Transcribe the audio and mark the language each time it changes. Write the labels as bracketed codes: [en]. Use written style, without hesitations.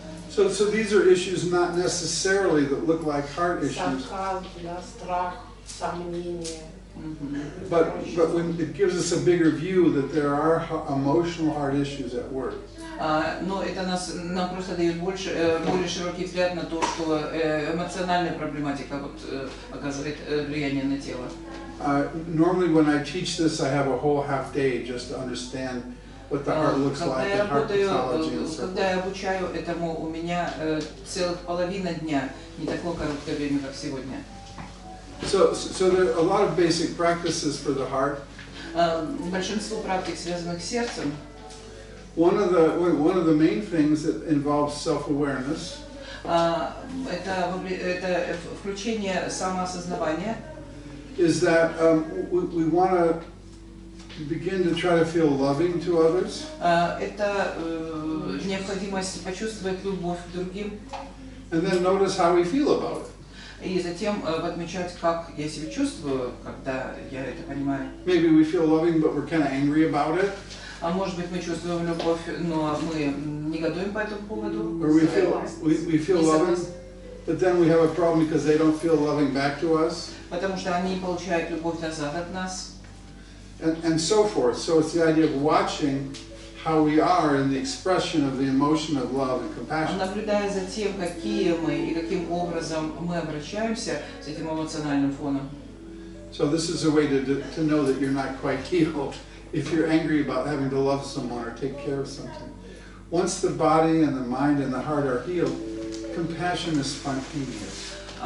[en] So these are issues not necessarily that look like heart issues. [ru] Страх, сомнения. [en] But when it gives us a bigger view that there are emotional heart issues at work. [ru] Но это нам просто дает более широкий взгляд на то, что эмоциональная проблематика оказывает влияние на тело. [en] Normally when I teach this, I have a whole half day just to understand what the heart looks like, the heart pathology and so forth. [ru] Когда я обучаю этому, у меня целых половина дня, не такое короткое время, как сегодня. [en] So there are a lot of basic practices for the heart. [ru] Большинство практик, связанных с сердцем. [en] One of the main things that involves self-awareness. [ru] Это включение самоосознавания. [en] Is that we want to begin to try to feel loving to others. [ru] Это необходимость почувствовать любовь к другим. [en] And then notice how we feel about it. [ru] И затем подмечать, как я себя чувствую, когда я это понимаю. [en] Maybe we feel loving, but we're kind of angry about it. [ru] А может быть, мы чувствуем любовь, но мы негодуем по этому поводу. [en] Or we feel loving, but then we have a problem because they don't feel loving back to us. [ru] Потому что они получают любовь назад от нас. [en] And so forth. So it's the idea of watching how we are in the expression of the emotion of love and compassion. [ru] Наблюдая за тем, какие мы и каким образом мы обращаемся с этим эмоциональным фоном. [en] So this is a way to know that you're not quite healed if you're angry about having to love someone or take care of something. Once the body and the mind and the heart are healed, compassion is spontaneous.